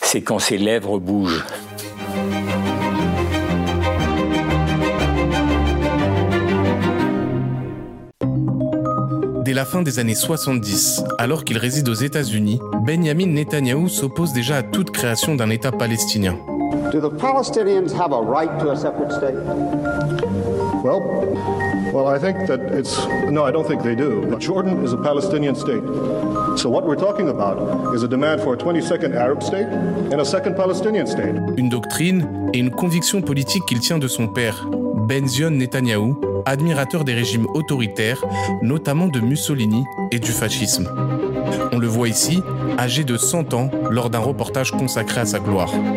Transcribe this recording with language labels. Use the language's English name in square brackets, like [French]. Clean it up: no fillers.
[French] C'est quand ses lèvres bougent. Dès la fin des années 70, alors qu'il réside aux États-Unis, Benjamin Netanyahou s'oppose déjà à toute création d'un État palestinien. [English] Do the Palestinians have a right to a separate state? Well, I think that it's... No, I don't think they do. But Jordan is a Palestinian state. So what we're talking about is a demand for a 22nd Arab state and a second Palestinian state. [French] Une doctrine et une conviction politique qu'il tient de son père, Benjamin Netanyahu, admirateur des régimes autoritaires, notamment de Mussolini et du fascisme. On le voit ici, âgé de 100 ans, lors d'un reportage consacré à sa gloire.